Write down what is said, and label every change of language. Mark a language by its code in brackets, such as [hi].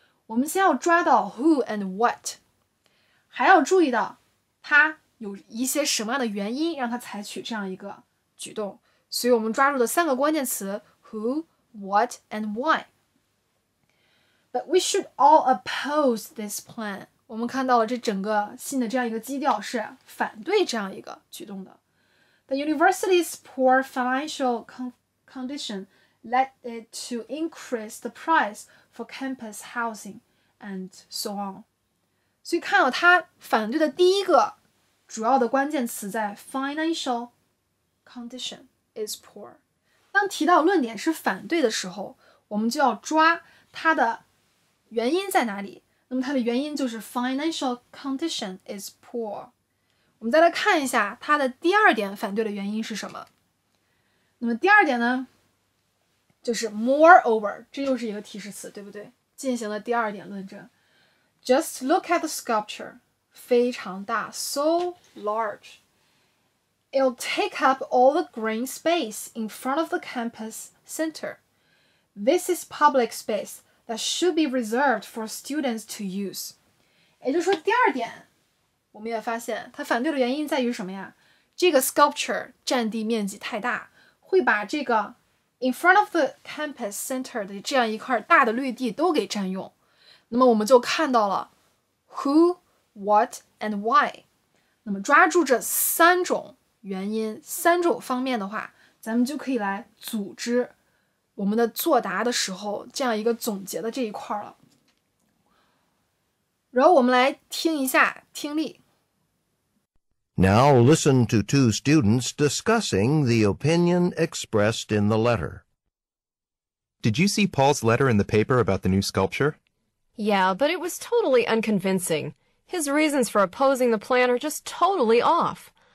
[zh] 我们先要抓到 [en] who and what， [zh] 还要注意到他有一些什么样的原因让他采取这样一个举动。所以我们抓住的三个关键词 [en] who, what, and why。 But we should all oppose this plan。 [zh] 我们看到了这整个信的这样一个基调是反对这样一个举动的。 [en] The university's poor financial condition led it to increase the price for campus housing and so on。 [zh] 所以看到他反对的第一个主要的关键词在 [en] financial condition is poor。 [zh] 当提到论点是反对的时候，我们就要抓它的原因在哪里。那么它的原因就是 [en] financial condition is poor。 [zh] 我们再来看一下它的第二点反对的原因是什么。那么第二点呢，就是 moreover， 这又是一个提示词，对不对？进行了第二点论证。 [en] Just look at the sculpture， [zh] 非常大 ， [en] so large。 It'll take up all the green space in front of the campus center. This is public space that should be reserved for students to use. [zh] 也就是说第二点，我们也发现他反对的原因在于什么呀？这个 sculpture 占地面积太大，会把这个 [en] in front of the campus center [zh] 的这样一块大的绿地都给占用。那么我们就看到了 [en] who, what, and why. [zh] 那么抓住这三种原因三种方面的话，咱们就可以来组织我们的作答的时候这样一个总结的这一块了。然后我们来听一下听力。 [en] Now listen to two students discussing the opinion expressed in the letter. Did you see Paul's letter in the paper about the new sculpture? Yeah, but it was totally unconvincing. His reasons for opposing the plan are just totally off.